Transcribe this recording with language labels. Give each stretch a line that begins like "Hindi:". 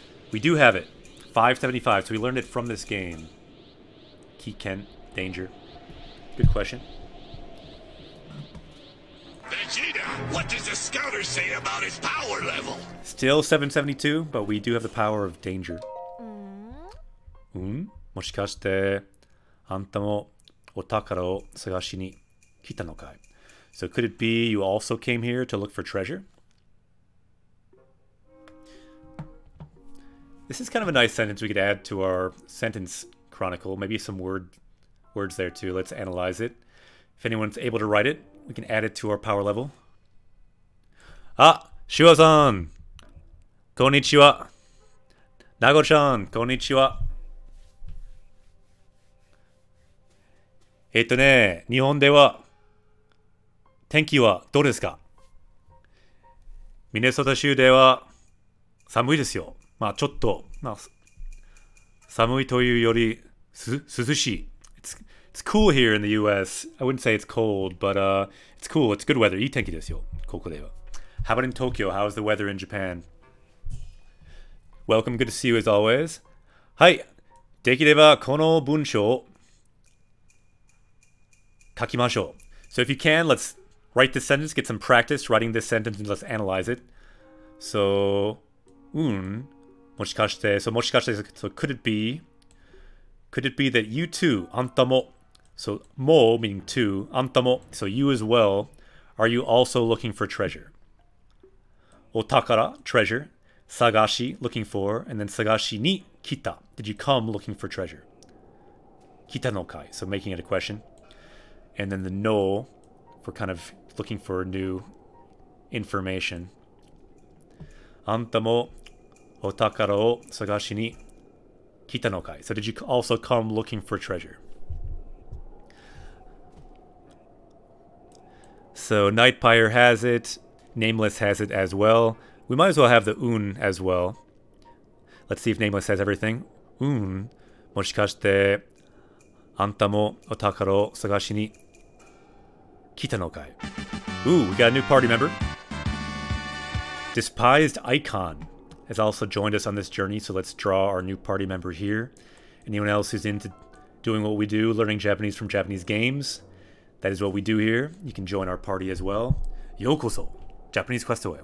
English: We do have it. 575. So we learned it from this game. Key Kent, Danger. Good question. Vegeta, what does the scouter say about his power level? Still 772, but we do have the power of Danger.
Japanese: もしかしてあんたもお宝を探しに来たのかい?
English: So could it be you also came here to look for treasure? This is kind of a nice sentence we could add to our sentence chronicle. Maybe some words there too. Let's analyze it. If anyone's able to write it, we can add it to our power level.
Japanese: Ah, Shua-san! Konnichiwa! Nago-chan, konnichiwa! 日本では天気はどうですか? ミネソタ州では寒いですよ。まあちょっと、まあ、寒いというより涼しい。
English: It's cool here in the US. I wouldn't say it's cold, but it's cool. It's good weather.
Japanese: いい天気ですよ、ここでは。
English: How about in Tokyo? How's the weather in Japan? Welcome. Good to see you as always. はい。
Japanese: できればこの文章を書きましょう。
English: So if you can, let's write this sentence, get some practice writing this sentence, and let's analyze it. So, もしかして、so もしかして、so could it be that you too, あんたも、so も meaning too, あんたも、so you as well, are you also looking for treasure? お宝、treasure, 探し、looking for, and then 探しに来た。 Did you come looking for treasure?
Japanese: 来たのかい?
English: So making it a question. And then the no, for kind of looking for new information.
Japanese: あんたもお宝を探しに来たのかい?
English: So did you also come looking for treasure? So Nightpire has it, Nameless has it as well. We might as well have the un as well. Let's see if Nameless has everything.
Japanese: もしかしてあんたもお宝を探しに来たのかい?
English: Ooh, we got a new party member. Despised Icon has also joined us on this journey, so let's draw our new party member here. Anyone else who's into doing what we do, learning Japanese from Japanese games, that is what we do here. You can join our party as well.
Japanese: ようこそ、Japanese Quest away.